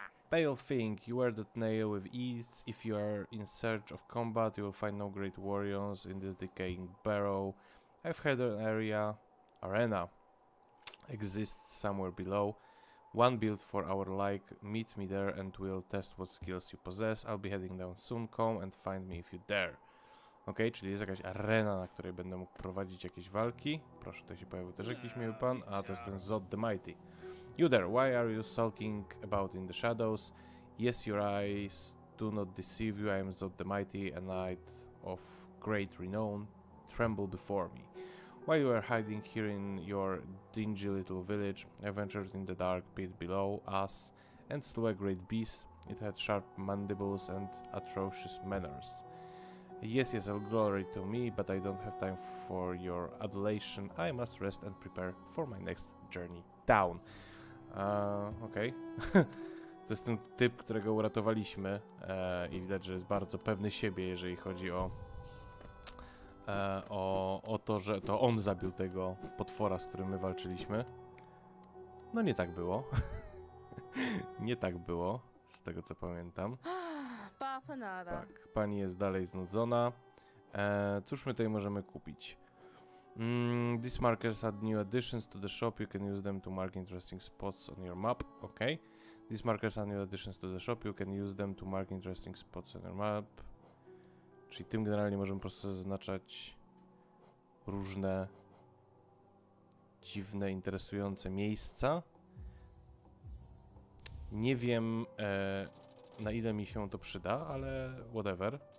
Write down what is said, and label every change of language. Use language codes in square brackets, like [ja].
[en] Pale thing, you wear that nail with ease. If you are in search of combat, you will find no great warriors in this decaying barrow. I've heard an arena exists somewhere below. One built for our like. Meet me there and we'll test what skills you possess. I'll be heading down soon. Come and find me if you dare. [pl] Ok, czyli jest jakaś arena, na której będę mógł prowadzić jakieś walki. Proszę, tutaj się pojawił też jakiś miły pan. A to jest ten Zod the Mighty. [en] You there, why are you sulking about in the shadows? Yes, your eyes do not deceive you. I am Zod the Mighty, a knight of great renown. Tremble before me. While you are hiding here in your dingy little village, I ventured in the dark pit below us and slew a great beast. It had sharp mandibles and atrocious manners. Yes, yes, all glory to me, but I don't have time for your adulation. I must rest and prepare for my next journey down. [pl] Okej. Okay. To jest ten typ, którego uratowaliśmy. I widać, że jest bardzo pewny siebie, jeżeli chodzi o... O to, że to on zabił tego potwora, z którym my walczyliśmy. No nie tak było. Nie tak było, z tego co pamiętam. Tak, pani jest dalej znudzona. Cóż my tutaj możemy kupić? [en] These markers are new additions to the shop. You can use them to mark interesting spots on your map. Okay. These markers are new additions to the shop. You can use them to mark interesting spots on your map. [pl] Czyli tym generalnie możemy po prostu zaznaczać różne dziwne, interesujące miejsca. Nie wiem na ile mi się to przyda, ale whatever.